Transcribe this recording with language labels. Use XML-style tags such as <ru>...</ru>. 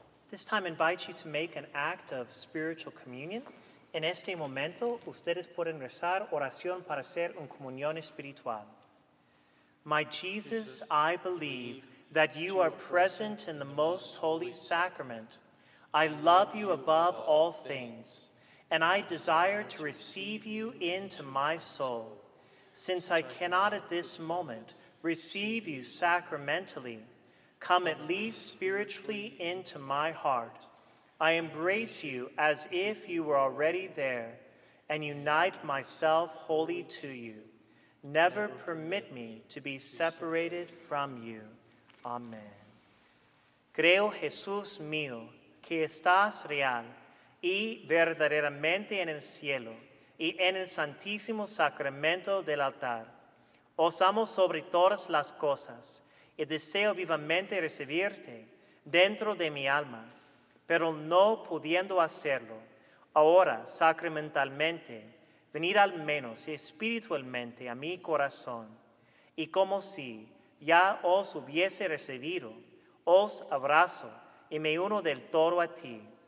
<en>This time invites you to make an act of spiritual communion.</en> <es>En este momento, ustedes pueden rezar oración para hacer un comunión espiritual.</es> <en>My Jesus, I believe that you are present in the most holy sacrament. I love you above all things, and I desire to receive you into my soul. Since I cannot at this moment receive you sacramentally, come at least spiritually into my heart. I embrace you as if you were already there and unite myself wholly to you. Never permit me to be separated from you. Amen.</en> <es>Creo, Jesús mío, que estás real y verdaderamente en el cielo y en el santísimo sacramento del altar. Os amo sobre todas las cosas, y deseo vivamente recibirte dentro de mi alma, pero no pudiendo hacerlo ahora sacramentalmente, venir al menos espiritualmente a mi corazón, y como si ya os hubiese recibido, os abrazo y me uno del todo a ti.</es>